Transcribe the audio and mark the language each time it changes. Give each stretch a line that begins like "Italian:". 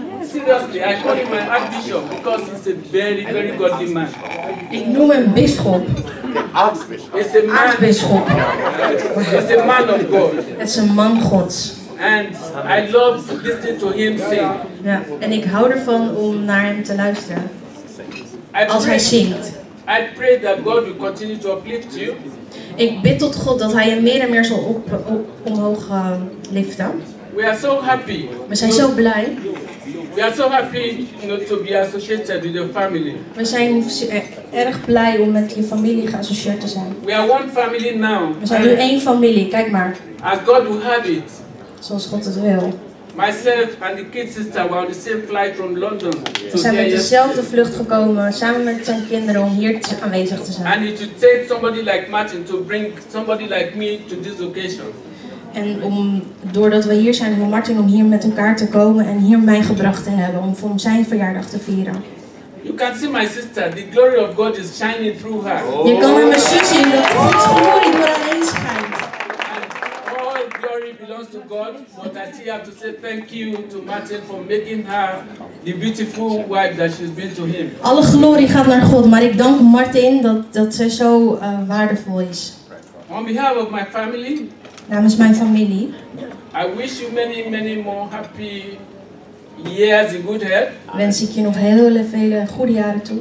English: Seriously, I call him my archbishop because he's a very, very godly man.
Dutch: Ik noem hem bisschop. Aartsbisschop.
English: It's a man of God.
Dutch: Het is een man Gods.
English: And I love listening to him sing.
Dutch: Ja, en ik hou ervan om naar hem te luisteren. Als hij zingt.
English: I pray that God will continue to uplift you.
Dutch: Ik bid tot God dat hij je meer en meer zal omhoog liften.
English: We are so happy.
Dutch: We zijn zo blij.
English: We are so happy, you know, to be associated with your family.
Dutch: We zijn erg blij om met je familie geassocieerd te zijn.
English: We are one family now.
Dutch: We zijn nu één familie. Kijk maar.
English: As God will have it.
Dutch: Zoals God het wil.
English: Myself and the kid sister were on the same flight from London.
Dutch: We zijn met dezelfde vlucht gekomen, samen met zijn kinderen om hier aanwezig te zijn.
English: And it would take somebody like Martin to bring somebody like me to this occasion.
Dutch: En om, doordat we hier zijn, om Martin om hier met elkaar te komen en hier mij gebracht te hebben om voor zijn verjaardag te vieren.
English: You can see my sister, the glory of God is shining through her.
Dutch: Je kan aan mijn zus zien dat God's glory door haar heen schijnt.
English: All glory belongs to God, but I still have to say thank you to Martin for making her the beautiful wife that she's been to him.
Dutch: Alle glorie gaat naar God, maar ik dank Martin dat ze zo waardevol is.
English: On behalf of my family.
Dutch: Namens mijn familie.
English: I wish you many, many more happy years in good health.
Dutch: Wens ik je nog hele vele goede jaren toe.